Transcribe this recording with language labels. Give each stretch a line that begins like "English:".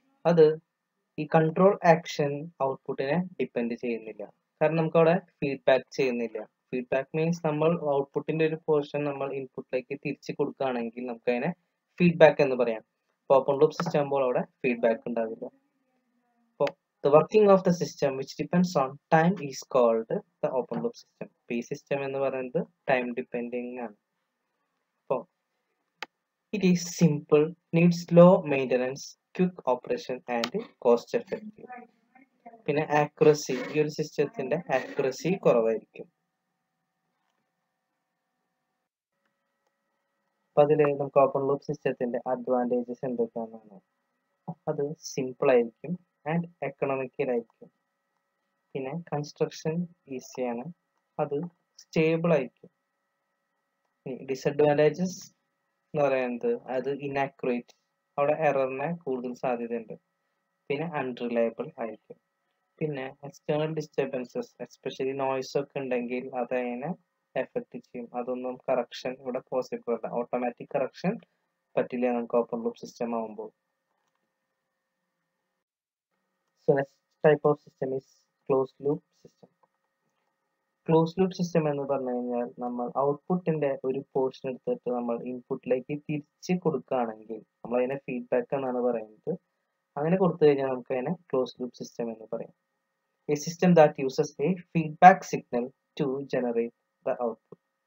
Malayalam: അത് ഈ control action ഔട്ട്പുട്ടിനെ ഡിപ്പെൻഡ് ചെയ്യുന്നില്ല, കാരണം നമുക്ക് അവിടെ ഫീഡ്ബാക്ക് ചെയ്യുന്നില്ല. ഫീഡ്ബാക്ക് മീൻസ് നമ്മൾ ഔട്ട്പുട്ടിന്റെ ഒരു പോർഷൻ നമ്മൾ ഇൻപുട്ടിലേക്ക് തിരിച്ചു കൊടുക്കുകയാണെങ്കിൽ നമുക്ക് അതിനെ ഫീഡ്ബാക്ക് എന്ന് പറയാം. അപ്പോൾ ഓപ്പൺ ലൂപ്പ് സിസ്റ്റം ആകുമ്പോൾ അവിടെ ഫീഡ്ബാക്ക് ഉണ്ടാവില്ല.
English: The working of the system which depends on time is called the open loop system. P system
Malayalam: എന്ന് പറയുന്നത്
English: time depending
Malayalam: ആണ്. അപ്പോൾ
English: it is simple, needs low maintenance, quick operation and cost effective.
Malayalam: പിന്നെ accuracy, ഈ ഒരു സിസ്റ്റത്തിന്റെ accuracy കുറവായിരിക്കും. അപ്പൊ അതിൽ നമുക്ക് ഓപ്പൺ ലൂപ്പ് സിസ്റ്റത്തിന്റെ അഡ്വാൻറ്റേജസ് എന്തൊക്കെയാണെന്നാണ്. അത് സിമ്പിൾ ആയിരിക്കും ആൻഡ് എക്കണോമിക്കൽ ആയിരിക്കും. പിന്നെ കൺസ്ട്രക്ഷൻ ഈസിയാണ്, അത് സ്റ്റേബിൾ ആയിരിക്കും. ഡിസഡ്വാൻറ്റേജസ് എന്ന് പറയുന്നത് അത് ഇനാക്യുറേറ്റ്, അവിടെ എററിന് കൂടുതൽ സാധ്യതയുണ്ട്. പിന്നെ അൺറിലയബിൾ ആയിരിക്കും. പിന്നെ എക്സ്റ്റേണൽ ഡിസ്റ്റർബൻസസ് എസ്പെഷ്യലി നോയ്സ് ഒക്കെ ഉണ്ടെങ്കിൽ അത് അതിനെ എഫക്റ്റ് ചെയ്യും. അതൊന്നും കറക്ഷൻ ഇവിടെ പോസിബിൾ അല്ല, ഓട്ടോമാറ്റിക് കറക്ഷൻ പറ്റില്ല നമുക്ക് ഓപ്പൺ ലൂപ്പ് സിസ്റ്റം ആവുമ്പോൾ.
English: So next type of system is closed loop system.
Malayalam: Closed loop system എന്ന് പറഞ്ഞു കഴിഞ്ഞാൽ നമ്മൾ ഔട്ട്പുട്ടിന്റെ ഒരു പോർഷൻ എടുത്തിട്ട് നമ്മൾ ഇൻപുട്ടിലേക്ക് തിരിച്ച് കൊടുക്കുകയാണെങ്കിൽ നമ്മൾ അതിനെ ഫീഡ്ബാക്ക് എന്നാണ് പറയുന്നത്. അങ്ങനെ കൊടുത്തു കഴിഞ്ഞാൽ നമുക്ക് അതിനെ ക്ലോസ് ലൂപ്പ് സിസ്റ്റം എന്ന് പറയാം.
English: A system that uses a feedback signal to generate the output.